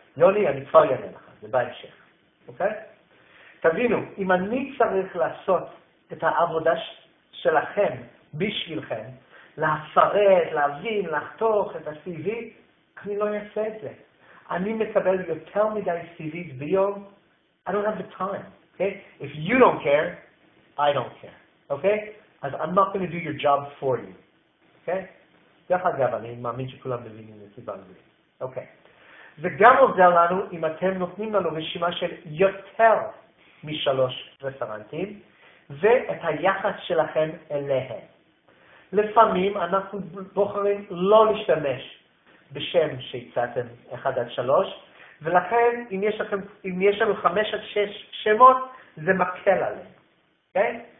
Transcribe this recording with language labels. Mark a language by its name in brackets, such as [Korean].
[Hebrew] יוני, אני כבר יענה לך, זה בהמשך. אוקיי? תבינו, אם אני צריך לעשות את העבודה שלכם, בשבילכם, להפרט, להבין, לחתוך את ה-CV, אני לא אעשה את זה. אני מקבל יותר מדי CVs ביום, [English] I don't have the time, okay? If you don't care, I don't care, okay? אז I'm not going to do your job for you, okay? [Hebrew] דרך אגב, אני מאמין שכולם מבינים את זה בעברית, okay? זה גם עובדה לנו אם אתם נותנים לנו רשימה של יותר משלוש רפרנטים, ואת היחס שלכם אליהם. לפעמים אנחנו בוחרים לא להשתמש בשם שהצעתם 1 עד 3, ולכן אם יש לכם, אם יש לנו 5 עד 6 שמות, זה מקל עליהם. Okay?